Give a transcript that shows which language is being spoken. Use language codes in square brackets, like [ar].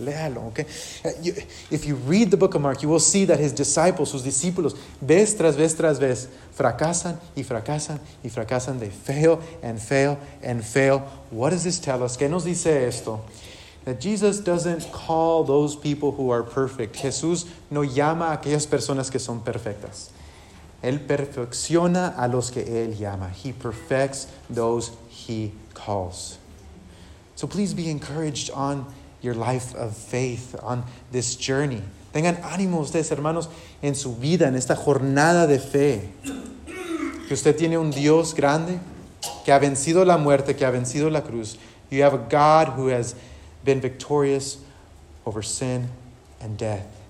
[es] Léalo, [en] okay? If you read the book of Mark, you will see that his disciples, [es] sus discípulos, vez tras vez tras vez, fracasan y fracasan [en] y fracasan. They fail and fail and fail. What does this tell us? [es] ¿Qué nos dice esto? [en] That Jesus doesn't call those people who are perfect. [es] Jesús no llama a aquellas personas que son perfectas. Él perfecciona a los que Él llama. [en] He perfects those He calls. So please be encouraged on your life of faith, on this journey. [es] Tengan ánimo ustedes, hermanos, en su vida, en esta jornada de fe. Que usted tiene un Dios grande, que ha vencido la muerte, que ha vencido la cruz. [en] You have a God who has been victorious over sin and death.